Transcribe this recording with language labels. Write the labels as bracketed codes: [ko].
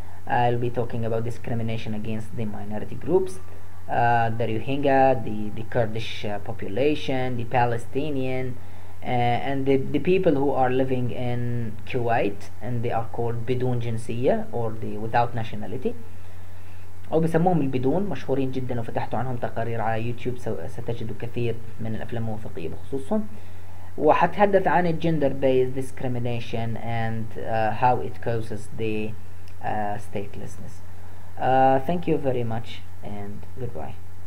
[en] I'll be talking about discrimination against the minority groups. The Rohingya, the Kurdish population, the Palestinian, and the people who are living in Kuwait, and they are called [ar] بدون جنسية [en] or the without nationality. [ar] أو بسموهم البدون مشهورين جدا وفتحت عنهم تقارير على يوتيوب ستجد كثير من الأفلام الوثائقية بخصوصهم. وحتحدث عن [en] gender based discrimination and how it causes the statelessness. Thank you very much. And goodbye.